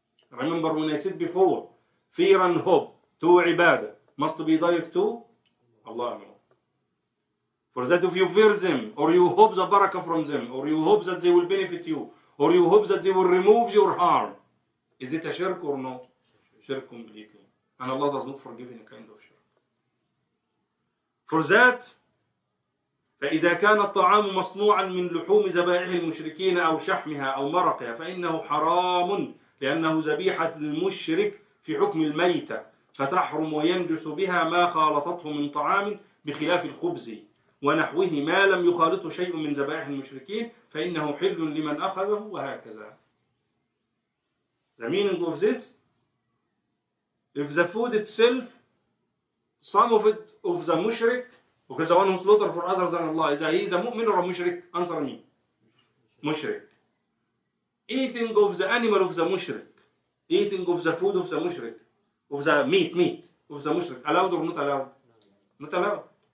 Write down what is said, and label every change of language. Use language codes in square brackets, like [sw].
[en] Remember when I said before, fear and hope to ibadah must be direct to Allah. For that if you fear them, or you hope the barakah from them, or you hope that they will benefit you, or you hope that they will remove your harm, is it a shirk or no? Shirk completely. And Allah does not forgive any kind of shirk. [ar] For that, فإذا كان الطعام مصنوعا من لحوم ذبائح المشركين أو شحمها أو مرقها فإنه حرام لأنه ذبيحة للمشرك في حكم الميتة فتحرم وينجس بها ما خالطته من طعام بخلاف الخبز ونحوه ما لم يخالطه شيء من ذبائح المشركين فإنه حل لمن أخذه وهكذا. [en] The meaning of this, if the food itself, some of it of the mushrik, because the one who slaughter for other than Allah, is he a mu'min or a mushrik? Answer me. Mushrik. Eating of the animal of the mushrik, eating of the food of the mushrik, of the meat of the mushrik, allowed or not allowed? Not allowed.